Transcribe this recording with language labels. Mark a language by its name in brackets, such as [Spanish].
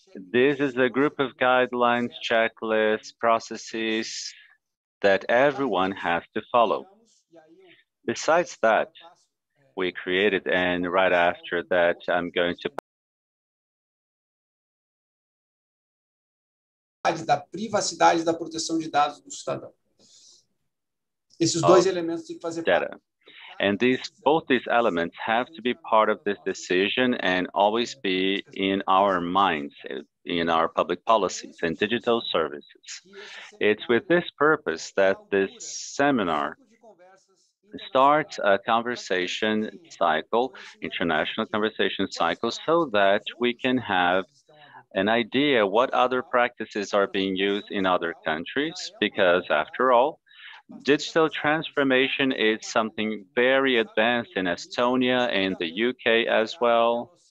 [English] This is a group of guidelines, checklists, processes that everyone has to follow. Besides that, we created, and right after that, I'm going to. [Portuguese] Da privacidade e da proteção de dados do cidadão. Esses dois elementos têm que fazer parte. [English] And these, both these elements have to be part of this decision and always be in our minds, in our public policies and digital services. It's with this purpose that this seminar starts a conversation cycle, international conversation cycle, so that we can have an idea what other practices are being used in other countries, because after all, digital transformation is something very advanced in Estonia and the UK as well,